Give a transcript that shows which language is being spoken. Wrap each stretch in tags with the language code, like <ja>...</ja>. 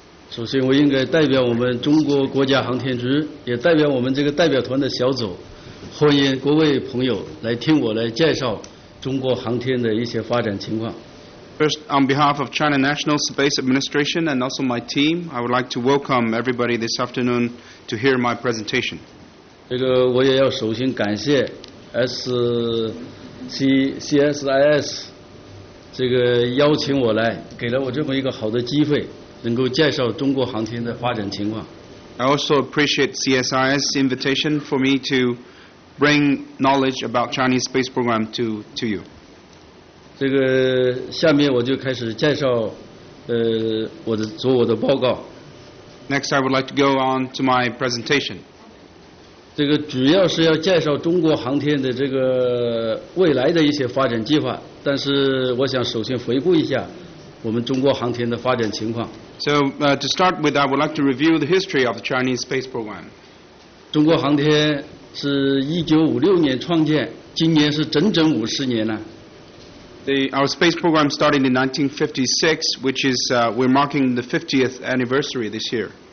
<zh>首先我应该代表我们中国国家航天局，也代表我们这个代表团的小组。</zh> <en>First, on behalf of China National Space Administration and also my team, I would like to welcome everybody this afternoon to hear my presentation.</en> <zh>这个我也要首先感谢 S CSIS 这个邀请我来, 给了我这么一个好的机会, 能够介绍中国航天的发展情况。</zh> <en>I also appreciate CSIS invitation for me to bring knowledge about Chinese space program to you.</en> <zh>这个下面我就开始介绍 我的报告。</zh> <en>Next, I would like to go on to my presentation.</en> <zh>这个主要是要介绍中国航天的这个未来的一些发展计划, 但是我想首先回顾一下我们中国航天的发展情况。</zh> <en>So, to start with, I would like to review the history of the Chinese space program.</en> <zh>中国航天是1956年创建, 今年是整整50年了。</zh> <en>Our space program started in 1956, which is we're marking the 50th anniversary this year.</en>